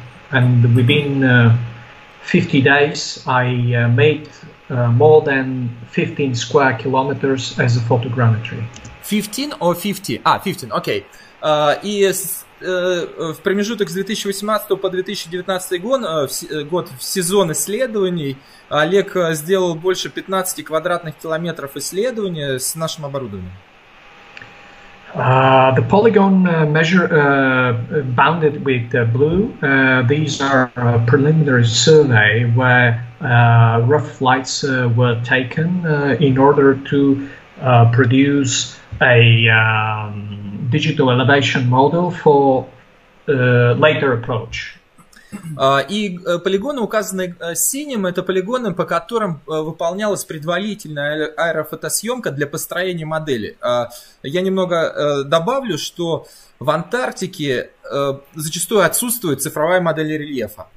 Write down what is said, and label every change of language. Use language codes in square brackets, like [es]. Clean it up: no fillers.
[en] And within 50 days, I made more than 15 square kilometers as a photogrammetry. 15 or 50? 15, okay. [ru] И в промежуток с 2018 по 2019 год, год в сезон исследований, Олег сделал больше 15 квадратных километров исследования с нашим оборудованием. [en] The polygon measure bounded with blue. These are preliminary survey where rough flights were taken in order to produce a digital elevation model for later approach. [ru] И полигоны, указанные синим, это полигоны, по которым выполнялась предварительная аэрофотосъемка для построения модели. Я немного добавлю, что в Антарктике зачастую отсутствует цифровая модель рельефа.